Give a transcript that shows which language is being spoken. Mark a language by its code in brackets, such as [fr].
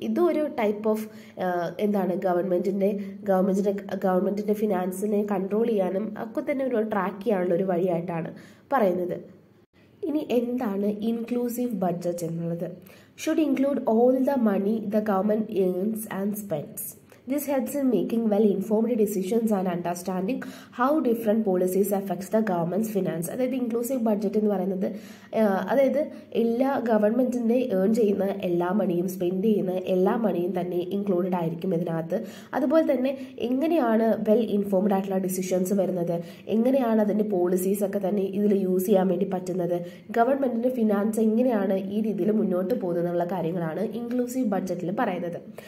[ml] ഇതും ഒരു type of എന്താണ് ഗവൺമെൻറ്റിൻ്റെ ഫിനാൻസിനെ കൺട്രോൾ ചെയ്യാനും ഒക്കെ തന്നെ ഒരു ട്രാക്ക് ചെയ്യാനുള്ള ഒരു വഴിയായിട്ടാണ് പറയുന്നത്. ഇനി എന്താണ് ഇൻക്ലൂസീവ് ബഡ്ജറ്റ് എന്നുള്ളത്. [en] Should include all the money the government earns and spends. This helps in making well-informed decisions and understanding how different policies affects the government's finance. [ml] അതായത് ഇൻക്ലൂസീവ് ബഡ്ജറ്റ് എന്ന് പറയുന്നത് അതായത് എല്ലാ ഗവൺമെൻറ്റിൻ്റെ ഏൺ ചെയ്യുന്ന എല്ലാ മണിയും സ്പെൻഡ് ചെയ്യുന്ന എല്ലാ മണിയും തന്നെ ഇൻക്ലൂഡഡ് ആയിരിക്കും ഇതിനകത്ത്. അതുപോലെ തന്നെ എങ്ങനെയാണ് വെൽ ഇൻഫോംഡ് ആയിട്ടുള്ള ഡിസിഷൻസ് വരുന്നത്, എങ്ങനെയാണ് അതിൻ്റെ പോളിസീസ് ഒക്കെ തന്നെ ഇതിൽ യൂസ് ചെയ്യാൻ വേണ്ടി പറ്റുന്നത്, ഗവൺമെൻറ്റിൻ്റെ ഫിനാൻസ് എങ്ങനെയാണ് ഈ രീതിയിൽ മുന്നോട്ട് പോകുന്നതെന്നുള്ള കാര്യങ്ങളാണ് ഇൻക്ലൂസീവ് ബഡ്ജറ്റിൽ പറയുന്നത്.